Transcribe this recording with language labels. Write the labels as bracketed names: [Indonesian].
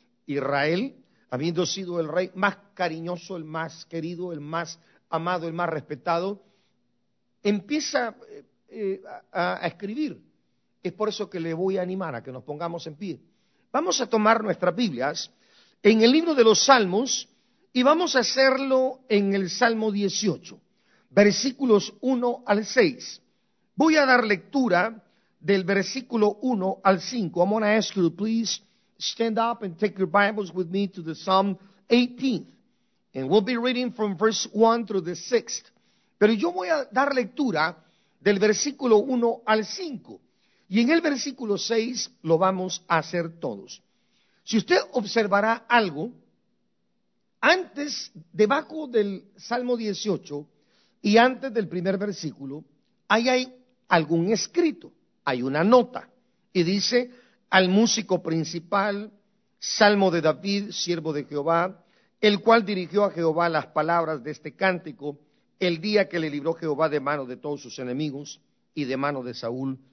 [Spanish] Israel, habiendo sido el rey más cariñoso, el más querido, el más amado, el más respetado, empieza a escribir. Es por eso que le voy a animar a que nos pongamos en pie. Vamos a tomar nuestras Biblias en el libro de los Salmos y vamos a hacerlo en el Salmo 18, versículos 1 al 6. Voy a dar lectura del versículo 1 al 5. [English] I'm going to ask you to please stand up and take your Bibles with me to the Psalm 18. And we'll be reading from verse 1 through the 6th. [Spanish] Pero yo voy a dar lectura del versículo 1 al 5. Y en el versículo 6 lo vamos a hacer todos. Si usted observará algo, antes, debajo del Salmo 18 y antes del primer versículo, ahí hay algún escrito, hay una nota, y dice: al músico principal, Salmo de David, siervo de Jehová, el cual dirigió a Jehová las palabras de este cántico, el día que le libró Jehová de mano de todos sus enemigos y de mano de Saúl.